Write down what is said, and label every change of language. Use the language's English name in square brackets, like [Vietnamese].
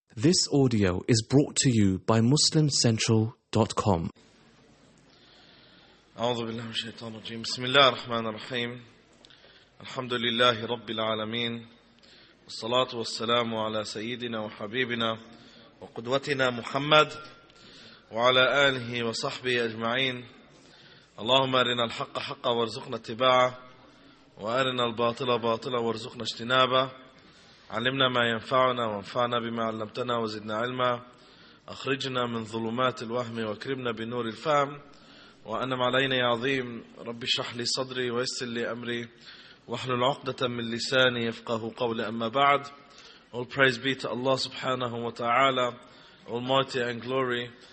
[English] This audio is brought to you by MuslimCentral.com. [Arabic] أعوذ بالله من الشيطان الرجيم. بسم الله الرحمن الرحيم. الحمد لله رب العالمين. والصلاة والسلام على سيدنا وحبيبنا وقدوتنا محمد وعلى آله وصحبه أجمعين. اللهم أرنا الحق حقا وارزقنا اتباعه وأرنا الباطل باطلا وارزقنا اجتنابه. علمنا ما ينفعنا وانفعنا بما علمتنا وزدنا علما أخرجنا من ظلمات الوهم وكرمنا بنور الفهم وأنعم علينا يا عظيم رب اشرح لي صدري ويسر لي أمري واحلل عقدة من لساني يفقه قولي أما بعد [English] All praise be to Allah subhanahu wa ta'ala Almighty and glory